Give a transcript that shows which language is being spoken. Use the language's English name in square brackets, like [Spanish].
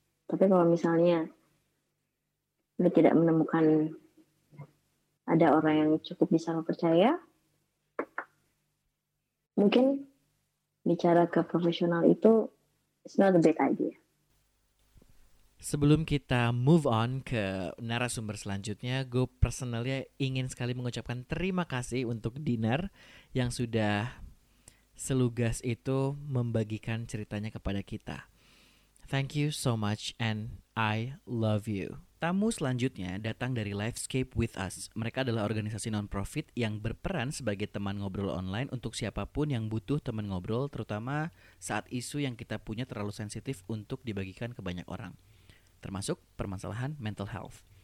[Indonesian] Tapi kalau misalnya lo tidak menemukan ada orang yang cukup bisa lo percaya, mungkin bicara ke profesional itu [English] it's not a bad idea. [Indonesian] Sebelum kita [English] move on [Indonesian] ke narasumber selanjutnya, gue [English] personally [Indonesian] ingin sekali mengucapkan terima kasih untuk Dinar yang sudah selugas itu membagikan ceritanya kepada kita. [English] Thank you so much and I love you. [Indonesian] Tamu selanjutnya datang dari Lifescape With Us. Mereka adalah organisasi non-profit yang berperan sebagai teman ngobrol online untuk siapapun yang butuh teman ngobrol, terutama saat isu yang kita punya terlalu sensitif untuk dibagikan ke banyak orang, termasuk permasalahan mental health.